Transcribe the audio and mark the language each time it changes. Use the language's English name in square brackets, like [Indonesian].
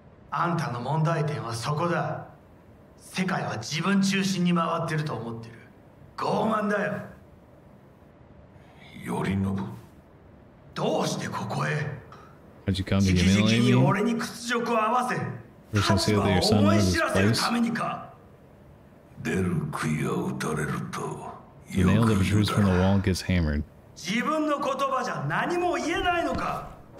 [Japanese] あんたの問題点はそこだ。世界は自分中心に回ってると思ってる。傲慢だよ。よりのぶ。どうしてここへ。じきじきに俺に屈辱を合わせ、立場を思い知らせるためにか。出る杭を打たれると。 [English] The nail that protrudes from the wall gets hammered. [Japanese] 自分の言葉じゃ何も言えないのか。